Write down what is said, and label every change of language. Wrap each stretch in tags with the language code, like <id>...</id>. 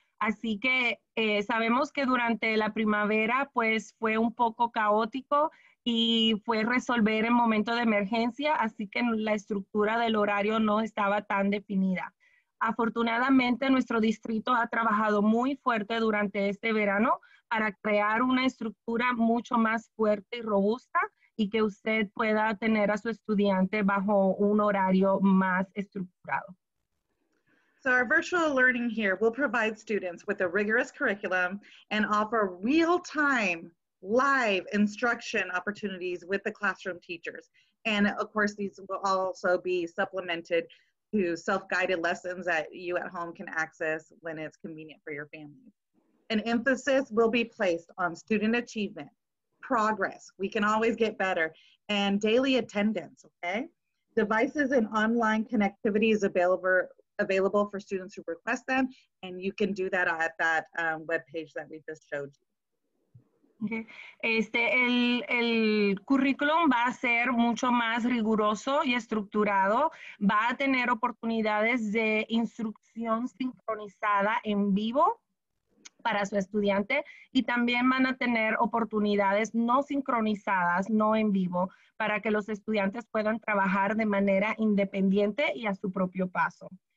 <es>Así que sabemos que durante la primavera pues fue un poco caótico y fue resolver en momento de emergencia, así que la estructura del horario no estaba tan definida. Afortunadamente, nuestro distrito ha trabajado muy fuerte durante este verano para crear una estructura mucho más fuerte y robusta y que usted pueda tener a su estudiante bajo un horario más estructurado.</es> <en>So our virtual learning here will provide students with a rigorous curriculum and offer real-time live instruction opportunities with the classroom teachers. And of course, these will also be supplemented to self-guided lessons that you at home can access when it's convenient for your family. An emphasis will be placed on student achievement, progress, we can always get better, and daily attendance, okay? Devices and online connectivity is available for students who request them, and you can do that at that webpage that we just showed you. Okay.</en> <es>El currículum va a ser mucho más riguroso y estructurado. Va a tener oportunidades de instrucción sincronizada en vivo para su estudiante y también van a tener oportunidades no sincronizadas, no en vivo, para que los estudiantes puedan trabajar de manera independiente y a su propio paso.</es>